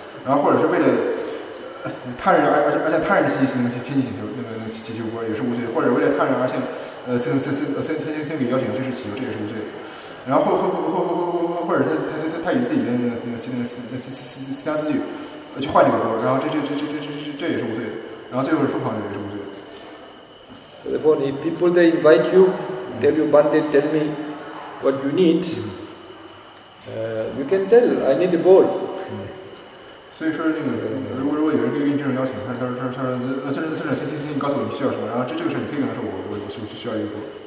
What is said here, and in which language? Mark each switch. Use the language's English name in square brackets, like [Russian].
[Chinese] 然后或者是为了他人而向他人亲戚进行请求，那个修复也是无罪的。或者为了他人而向先给邀请就是祈求，这也是无罪的。然后或者他以自己的其他自己去换这个锅，然后这也是无罪的，然后最后是疯狂的也是无罪的。 [English] The point, if people they invite you, tell you, "Bandit, tell me what you need." You can tell, "I need a ball." [Chinese] 所以说那个，如果有人给你这种邀请，他说先告诉我你需要什么，然后这个事你可以跟他说我是不是需要一个锅。